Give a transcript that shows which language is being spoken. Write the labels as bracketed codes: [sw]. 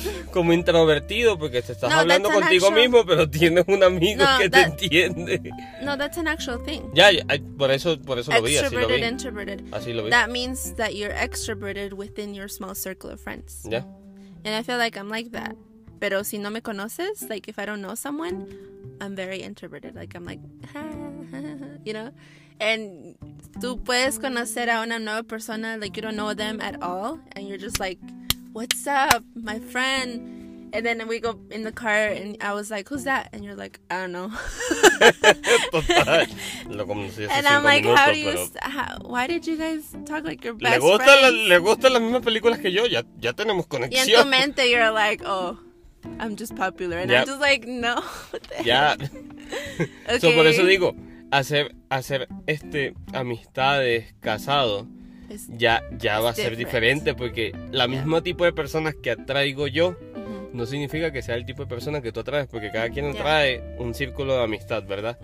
[es] Como introvertido, porque te estás hablando contigo mismo, pero tienes un amigo que te entiende. [en] No, that's an actual thing. [es] Por eso lo vi, así lo vi. [en] Extroverted, introverted. [es] Así lo vi. [en] That means that you're extroverted within your small circle of friends. Yeah. And I feel like I'm like that. [es] Pero si no me conoces, [en] like if I don't know someone, I'm very introverted. Like I'm like, you know? And [es] tú puedes conocer a una nueva persona, [en] like you don't know them at all. And you're just like, what's up, my friend? And then we go in the car and I was like, who's that? And you're like, I don't know. And I'm like, how do you, why did you guys talk like your best friend? [es] Le gustan las mismas películas que yo, ya tenemos conexión. Y en tu mente [en] you're like, oh, I'm just popular. And yep. I'm just like, no. Ya. Okay. [es] So por eso digo, hacer este amistades casado. Ya va a ser diferente porque la misma tipo de personas que atraigo yo no significa que sea el tipo de persona que tú atraes, porque cada quien atrae un círculo de amistad, ¿verdad?